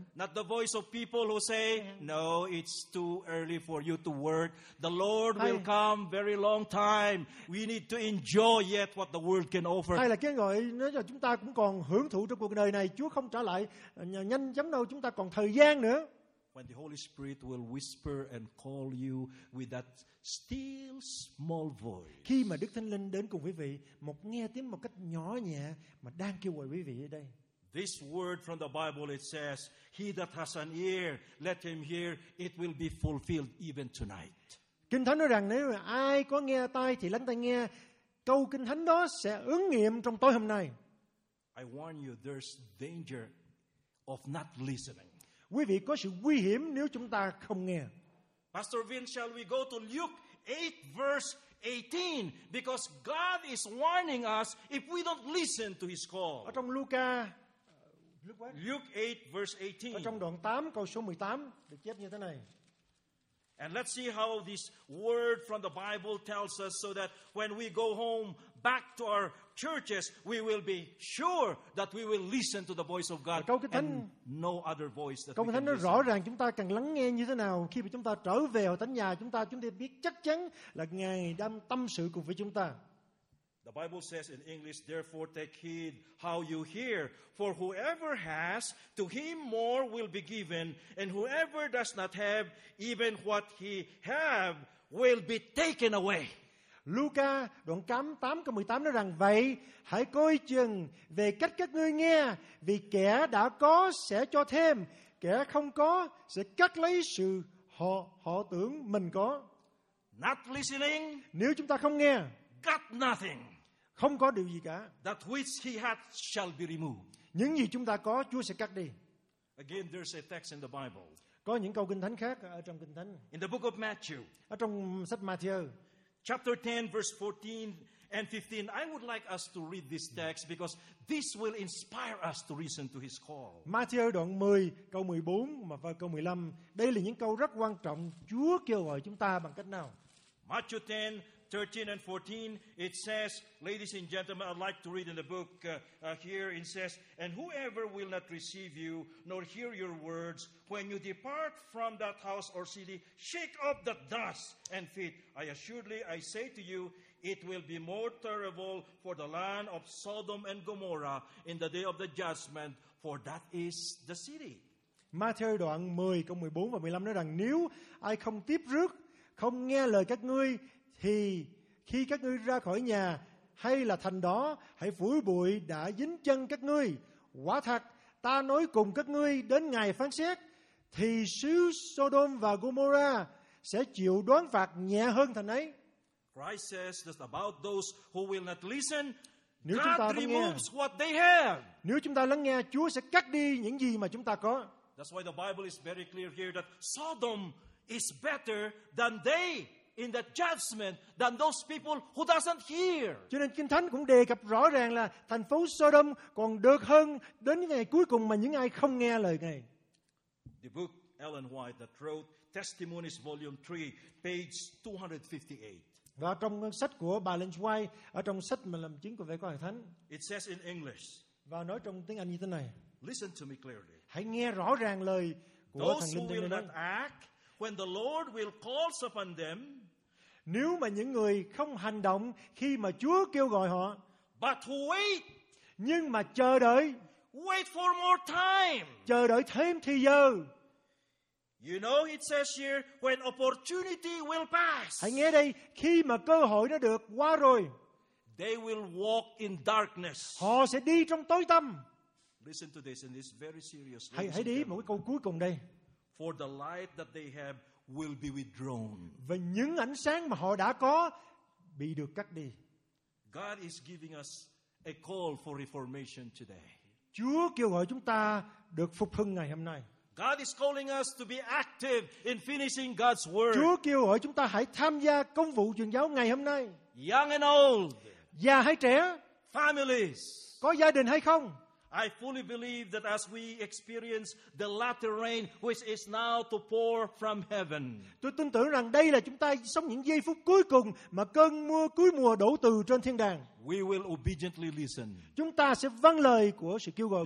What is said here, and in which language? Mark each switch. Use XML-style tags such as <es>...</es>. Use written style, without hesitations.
<en>Not the voice of people who say, no, it's too early for you to work. The Lord will come very long time. We need to enjoy yet what the world can offer.</en> <vi>Hay là cái gọi nói là chúng ta cũng còn hưởng thụ trong cuộc đời này. Chúa không trả lại nhanh chóng đâu. Chúng ta còn thời gian nữa.</vi> <en>When the Holy Spirit will whisper and call you with that still small voice.</en> <vi>Khi mà Đức Thánh Linh đến cùng quý vị, một nghe tiếng một cách nhỏ nhẹ mà đang kêu gọi quý vị ở đây.</vi> <en>This word from the Bible, it says, he that has an ear, let him hear, it will be fulfilled even tonight.</en> <vi>Kinh Thánh nói rằng nếu mà ai có nghe tai thì lắng tai nghe, câu Kinh Thánh đó sẽ ứng nghiệm trong tối hôm nay.</vi> <en>I warn you, there's danger of not listening.</en> <vi>Quý vị có sự nguy hiểm nếu chúng ta không nghe.</vi> <en>Pastor Vin, shall we go to Luke 8 verse 18? Because God is warning us if we don't listen to his call.</en> <vi>Ở trong Luca,</vi> <en>Luke 8 verse 18.</en> <vi>Ở trong đoạn 8 câu số 18 được chép như thế này.</vi> <en>And let's see how this word from the Bible tells us so that when we go home back to our churches, we will be sure that we will listen to the voice of God</en> <vi>Câu Kinh Thánh,</vi> <en>and no other voice that</en> <vi>Câu Kinh Thánh nói rõ ràng chúng ta cần lắng nghe như thế nào khi mà chúng ta trở về hội thánh nhà chúng ta biết chắc chắn là Ngài đang tâm sự cùng với chúng ta.</vi> <en>The Bible says in English, therefore take heed how you hear, for whoever has, to him more will be given, and whoever does not have, even what he have will be taken away.</en> <vi>Luca đoạn 8 câu 18 nói rằng vậy, hãy coi chừng về cách các ngươi nghe, vì kẻ đã có sẽ cho thêm, kẻ không có sẽ cắt lấy sự họ tưởng mình có.</vi> <en>Not listening,</en> <vi>nếu chúng ta không nghe,</vi> <en>got nothing,</en> <vi>không có điều gì cả.</vi> <en>That which he hath shall be removed,</en> <vi>những gì chúng ta có Chúa sẽ cắt đi.</vi> <en>Again, there's a text in the Bible.</en> <vi>Có những câu Kinh Thánh khác ở trong Kinh Thánh.</vi> <en>In the book of Matthew,</en> <vi>ở trong sách Matthew,</vi> <en>chapter 10 verse 14 and 15. I would like us to read this text because this will inspire us to listen to his call.</en> <vi>Matthew đoạn 10 câu 14 mà và câu 15. Đây là những câu rất quan trọng. Chúa kêu gọi chúng ta bằng cách nào?</vi> <en>Matthew 10 13 and 14, it says, ladies and gentlemen, I'd like to read in the book here, it says, and whoever will not receive you, nor hear your words, when you depart from that house or city, shake off the dust and feet. I say to you, it will be more terrible for the land of Sodom and Gomorrah in the day of the judgment, for that is the city.</en> <vi>Matthew đoạn 10, câu 14 và 15 nói rằng, nếu ai không tiếp rước, không nghe lời các ngươi, thì khi các ngươi ra khỏi nhà hay là thành đó, hãy phủi bụi đã dính chân các ngươi. Quả thật, ta nói cùng các ngươi, đến ngày phán xét, thì xứ Sodom và Gomorra sẽ chịu đoán phạt nhẹ hơn thành ấy.</vi> <en>Christ says that about those who will not listen,</en> <vi>nếu chúng ta</vi> <en>removes what they have.</en> <vi>Nếu chúng ta lắng nghe, Chúa sẽ cắt đi những gì mà chúng ta có.</vi> <en>That's why the Bible is very clear here that Sodom is better than they in the judgment than those people who doesn't hear.</en> <vi>Cho nên Kinh Thánh cũng đề cập rõ ràng là thành phố Sodom còn được hơn đến ngày cuối cùng mà những ai không nghe lời Ngài.</vi> <en>The book Ellen White that wrote Testimonies volume 3 page 258.</en> <vi>Và trong sách của bà Ellen White, ở trong sách mà làm chứng của vẻ của Hội Thánh.</vi> <en>It says in English.</en> <vi>Và nói trong tiếng Anh như thế này.</vi> <en>Listen to me clearly.</en> <vi>Hãy nghe rõ ràng lời của thần linh đây.</vi> <en>When the Lord will call upon them,</en> <vi>nếu mà những người không hành động khi mà Chúa kêu gọi họ,</vi> <en>but wait,</en> <vi>nhưng mà chờ đợi,</vi> <en>wait for more time,</en> <vi>chờ đợi thêm thì giờ.</vi> <en>You know it says here, when opportunity will pass,</en> <vi>hãy nghe đây, khi mà cơ hội nó được qua rồi,</vi> <en>they will walk in darkness,</en> <vi>họ sẽ đi trong tối tăm.</vi> <en>Listen to this, and this is very serious.</en> <vi>Hãy đi một cái câu cuối cùng đây.</vi> <en>For the light that they have will be withdrawn.</en> <vi>Và những ánh sáng mà họ đã có bị được cắt đi.</vi> <en>God is giving us a call for reformation today.</en> <vi>Chúa kêu gọi chúng ta được phục hưng ngày hôm nay.</vi> <en>God is calling us to be active in finishing God's word.</en> <vi>Chúa kêu gọi chúng ta hãy tham gia công vụ truyền giáo ngày hôm nay.</vi> <en>Young and old.</en> <vi>Già hay trẻ.</vi> <en>Families.</en> <vi>Có gia đình hay không?</vi> <en>I fully believe that as we experience the latter rain which is now to pour from heaven.</en> <vi>Tôi tin tưởng rằng đây là chúng ta sống những giây phút cuối cùng mà cơn mưa cuối mùa đổ từ trên thiên đàng.</vi> <en>We will obediently listen.</en> <vi>Chúng ta sẽ vâng lời của sự kêu gọi</vi>